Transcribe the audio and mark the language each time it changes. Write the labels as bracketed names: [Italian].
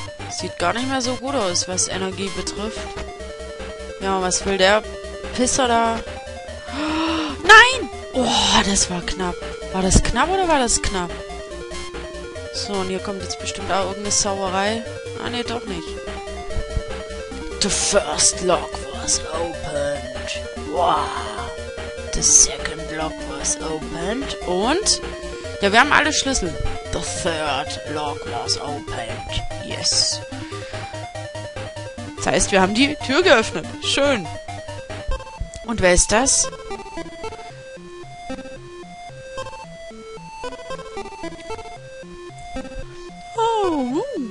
[German] Sieht gar nicht mehr so gut aus, was Energie betrifft. Ja, was will der Pisser da? Nein! Oh, das war knapp. War das knapp oder war das knapp? So, und hier kommt jetzt bestimmt auch irgendeine Sauerei. Ah, nee, doch nicht. [English] The first lock was opened. Wow. The second lock was opened. [German] Und? Ja, wir haben alle Schlüssel. [English] The third lock was opened. Yes. [German] Das heißt, wir haben die Tür geöffnet. Schön. Und wer ist das? Oh.